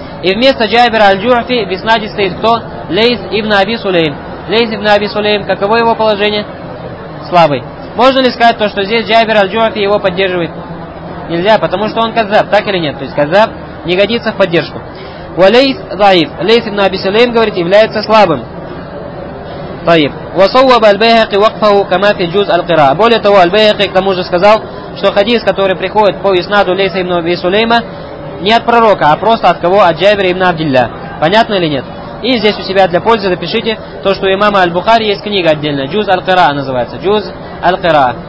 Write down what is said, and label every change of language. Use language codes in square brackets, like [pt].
[ru] И вместо Джабира аль-Джуфи в иснаде стоит кто? Лейс ибн Аби Сулейм. Лейс ибн Аби Сулейм, каково его положение? Слабый. Можно ли сказать то, что здесь Джабир аль-Джуфи его поддерживает? Нельзя, потому что он каззаб, так или нет? То есть каззаб не годится в поддержку. [ar] Ва лейс даиф. [ru] Лейс ибн Аби Сулейм, говорит, является слабым. [ar] طيب وصوب البيهقي وقفه كما في جزء القراءة. [ru] Более того, Аль-Байхақи к тому же сказал, что хадис, который приходит по иснаду Лейса ибн Аби Сулейма, не от пророка, а просто от кого? От Джабира ибн Абдилля. Понятно или нет? И здесь у себя для пользы запишите то, что у имама Аль-Бухари есть книга отдельная, Джуз Аль-Кира называется, Джуз Аль-Кира.